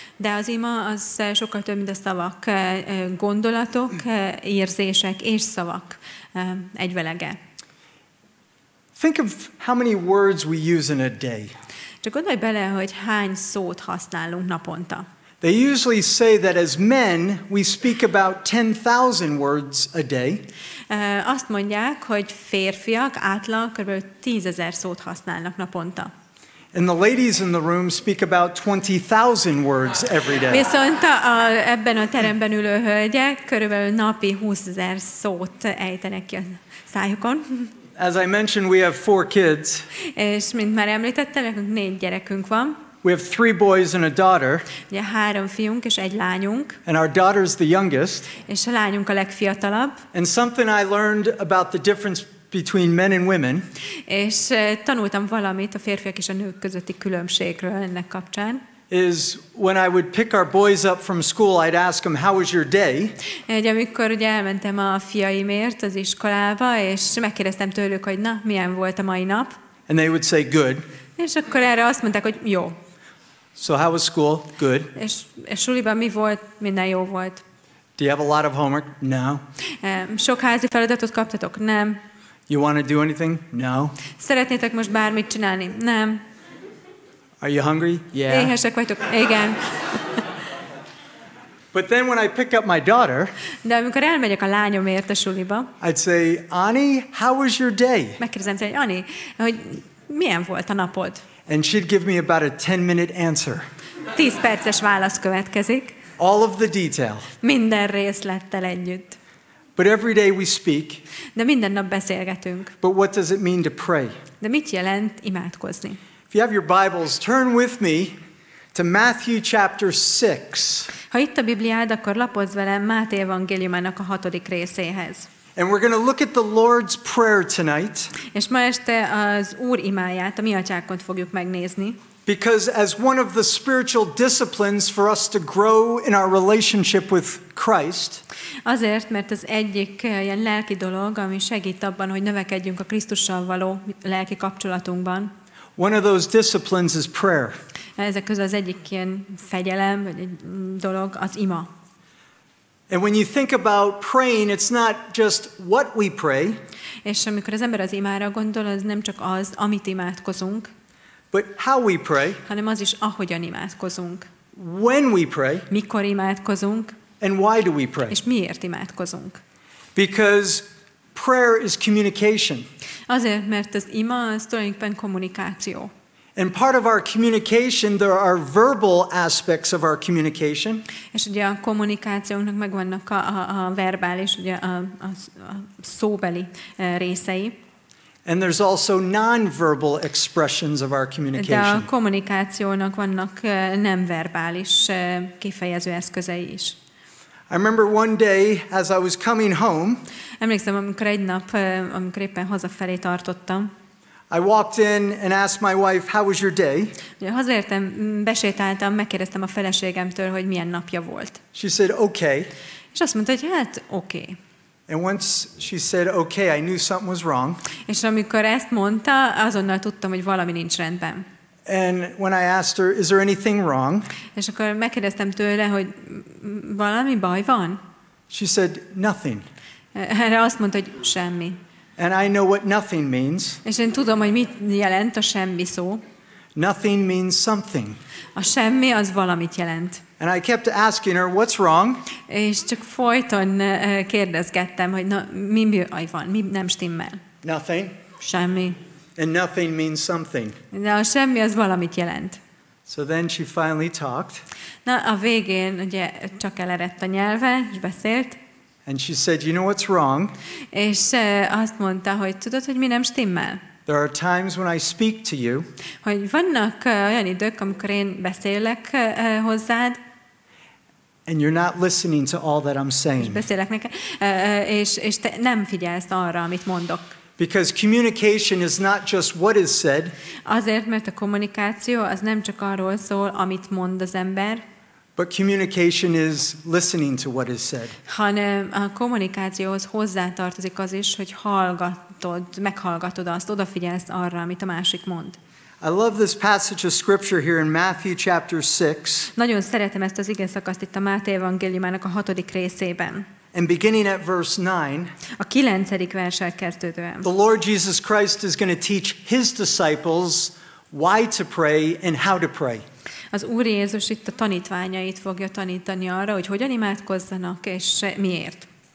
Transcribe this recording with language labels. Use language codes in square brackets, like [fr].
[hu] De az ima az sokkal több, mint a szavak, gondolatok, érzések és szavak egyvelege. [en] Think of how many words we use in a day. [hu] Csak gondolj bele, hogy hány szót használunk naponta. [en] They usually say that as men we speak about 10,000 words a day. [hu] Azt mondják, hogy férfiak átlag kb. 10,000 szót használnak naponta. [en] And the ladies in the room speak about 20,000 words every day. [hu] Viszont ebben a teremben ülő hölgyek körülbelül napi 20,000 szót ejtenek ki a szájukon. [en] As I mentioned, we have four kids. [hu] És mint már említettem, nekünk négy gyerekünk van. [en] We have three boys and a daughter. [hu] Ugye három fiunk és egy lányunk. [en] And our daughter is the youngest. [hu] És a lányunk a legfiatalabb. [en] And something I learned about the difference between men and women. [hu] És tanultam valamit a férfiak és a nők közötti különbségről ennek kapcsán. [en] Is when I would pick our boys up from school, I'd ask them, "How was your day?" [hu] Egy amikor ugye elmentem a fiaimért az iskolába, és megkérdeztem tőlük, hogy na, milyen volt a mai nap. [en] And they would say, "Good." [hu] És akkor erre azt mondták, hogy jó. [en] So how was school? Good. [hu] És suliban mi volt? Minden jó volt. [en] Do you have a lot of homework? No. [hu] Sok házi feladatot kaptatok? Nem. [en] You want to do anything? No. [hu] Szeretnétek most bármit csinálni? Nem. [en] Are you hungry? Yeah. [hu] Éhesek vagytok? Igen. [en] But then when I pick up my daughter, [hu] de amikor elmegyek a lányomért a suliba, [en] I'd say, "Ani, how was your day?" [hu] Megkérdezem, hogy Ani, hogy milyen volt a napod? [en] And she'd give me about a 10-minute answer. [hu] 10 perces válasz következik. [en] All of the detail. [hu] Minden részlettel együtt. [en] But every day we speak. [hu] De minden nap beszélgetünk. [en] But what does it mean to pray? [hu] De mit jelent imádkozni? [en] If you have your Bibles, turn with me to Matthew chapter 6. [hu] Ha itt a Bibliád, akkor lapozz velem Máté evangéliumának a hatodik részéhez. [en] And we're going to look at the Lord's Prayer tonight. [hu] És ma este az Úr imáját, a mi atyánkat fogjuk megnézni. [en] Because as one of the spiritual disciplines for us to grow in our relationship with Christ. [hu] Azért, mert az egyik ilyen lelki dolog, ami segít abban, hogy növekedjünk a Krisztussal való lelki kapcsolatunkban. [en] One of those disciplines is prayer. [hu] Ezek közül az egyik ilyen fegyelem, vagy egy dolog, az ima. [en] And when you think about praying, it's not just what we pray. [hu] És amikor az ember az imára gondol, az nem csak az, amit imádkozunk. [en] But how we pray. [hu] Hanem az is, ahogyan imádkozunk. [en] When we pray. [hu] Mikor imádkozunk. [en] And why do we pray. [hu] És miért imádkozunk. [en] Because prayer is communication. [hu] Azért, mert az ima az tulajdonképpen kommunikáció. [en] And part of our communication, there are verbal aspects of our communication. [hu] És ugye a kommunikációnak megvannak a verbális, ugye a szóbeli részei. [en] And there's also non-verbal expressions of our communication. [hu] De a kommunikációnak vannak nem verbális kifejező eszközei is. [en] I remember one day as I was coming home. [hu] Emlékszem, amikor egy nap, amikor éppen hazafelé tartottam. [en] I walked in and asked my wife, "How was your day?" [hu] Hazaértem, besétáltam, megkérdeztem a feleségemtől, hogy milyen napja volt. [en] She said, "Okay." [hu] És azt mondta, hogy hát, okay. [en] And once she said, "Okay," I knew something was wrong. [hu] És amikor ezt mondta, azonnal tudtam, hogy valami nincs rendben. [en] And when I asked her, "Is there anything wrong?" [hu] És akkor megkérdeztem tőle, hogy valami baj van? [en] She said, "Nothing." [hu] Erre azt mondta, hogy semmi. [en] And I know what nothing means. [hu] És én tudom, hogy mit jelent a semmi szó. [en] Nothing means something. [hu] A semmi az valamit jelent. [en] And I kept asking her, "What's wrong?" [hu] És csak folyton kérdezgettem, hogy na, mi baj van, mi nem stimmel. [en] Nothing. [hu] Semmi. [en] And nothing means something. [hu] De a semmi az valamit jelent. [en] So then she finally talked. [hu] Na, a végén ugye csak eleredt a nyelve, és beszélt. [en] And she said, "You know what's wrong?" [hu] És azt mondta, hogy tudod, hogy mi nem stimmel. [en] There are times when I speak to you. [hu] Hogy vannak olyan idők, amikor én beszélek hozzád. [en] And you're not listening to all that I'm saying. [hu] És beszélek neked, és te nem figyelsz arra, amit mondok. [en] Because communication is not just what is said. [hu] Azért, mert a kommunikáció az nem csak arról szól, amit mond az ember. [en] But communication is listening to what is said. [hu] Hanem a kommunikációhoz hozzátartozik az is, hogy hallgatod, meghallgatod azt, odafigyelsz arra, amit a másik mond. [en] I love this passage of scripture here in Matthew chapter 6. [hu] Nagyon szeretem ezt az igeszakaszt itt a Máté evangéliumának a 6. részében. [en] And beginning at verse 9. [hu] A 9. verssel kezdődően. [en] The Lord Jesus Christ is going to teach his disciples why to pray and how to pray. [hu] Az Úr Jézus itt a tanítványait fogja tanítani arra, hogy hogyan imádkozzanak és miért.